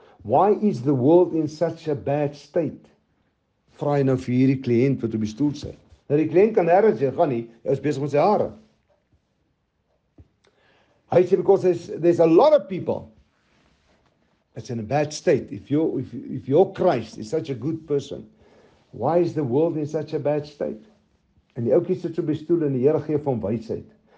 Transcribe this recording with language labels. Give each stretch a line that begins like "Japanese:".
English: Why is the world in such a bad state?
Afrikaans: Vraai nou vir hierdie kliënt wat op die stoel sit. Nou die kliënt kan nêrens heen gaan nie, hy is besig met sy hare. Hy sê
English: because there's a lot of people that's in a bad state. If your Christ is such a good person, why is the world in such a bad state?
Afrikaans: En die ouetjie sit op die stoel en die Here gee hom wysheid.